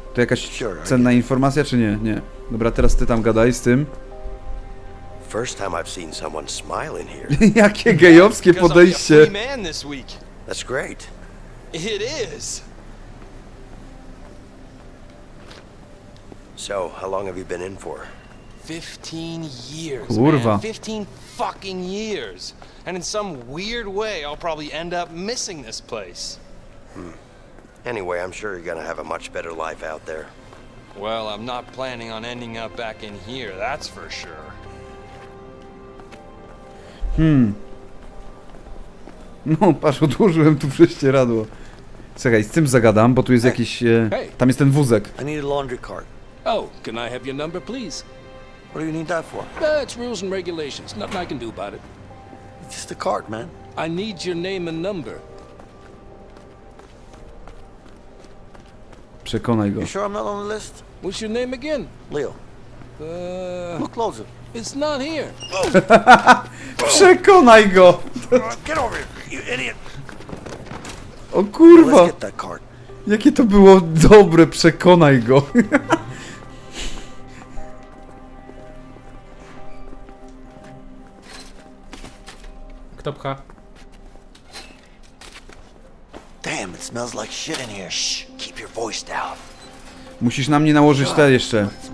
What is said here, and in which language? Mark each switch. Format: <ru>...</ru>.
<pl>To jakaś cenna informacja, czy nie? Nie. Dobra, teraz ty tam gadaj z tym.</pl> <en>First time I've seen someone smiling here.</en> <pl>Jakie gejowskie podejście.</pl> <en>That's great. It is. So, how long have you been in for? 15 years.</en> <pl>Kurwa.</pl> <en>15 fucking years. And in some weird way, I'll probably end up missing this place. Anyway, I'm sure you're gonna have a much better life out there. Well, I'm not planning on ending up back in here, that's for sure.</en> <pl>No, patrz, odłożyłem tu prześcieradło. Czekaj, z tym zagadam, bo tu jest jakiś... Tam jest ten wózek.</pl> <en>I need a laundry cart. Oh, can I have your number, please? What do you need that for? It's rules and regulations. Nothing I can do about it. It's just a cart, man. I need your name and number.</en> <pl>Przekonaj go.</pl> <en>You sure I'm not on the list? What's your name again? Leo. Look closer. It's not here.</en> <pl>Przekonaj go.</pl> <en>Get over here, you idiot.</en> <pl>O kurwa.</pl> <en>Let's get that card.</en> <pl>Jakie to było dobre, przekonaj go. Kto pcha?</pl> <en>Damn, it smells like shit in here. Shh, keep your voice down.</en> <pl>Musisz na mnie nałożyć te jeszcze.</pl>